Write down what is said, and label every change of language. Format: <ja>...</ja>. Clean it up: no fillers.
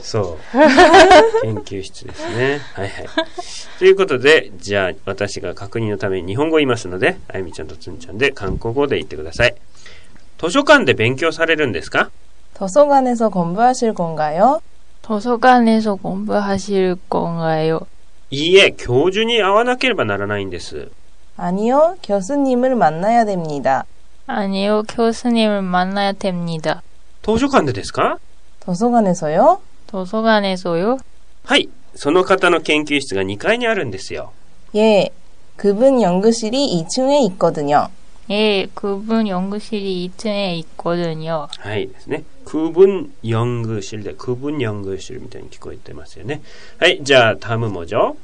<ja>そう研究室ですねはいはいということでじゃあ私が確認のために日本語言いますのであゆみちゃんとつんちゃんで韓国語で言ってください図書館で勉強されるんですか</ja> <ko>図書館에서공부하실건가요 図書館에서공부하실건가요</ko> <ja>いいえ教授に会わなければならないんです</ja> <ko>아니요교수님을만나야됩니다 아니요교수님을만나야됩니다</ko> <ja>도서관でですか</ja> <ko>도서관에서요 도서관에서요</ko> <ja>はいその方の研究室が2階にあるんですよ</ja> <ko>예그분연구실이2층에있거든요 예그분연구실이2층에있거든요</ko> <ja>はいですね그분연구실で그분연구실みたいに聞こえてますよねはいじゃあ単語もじゃ</ja>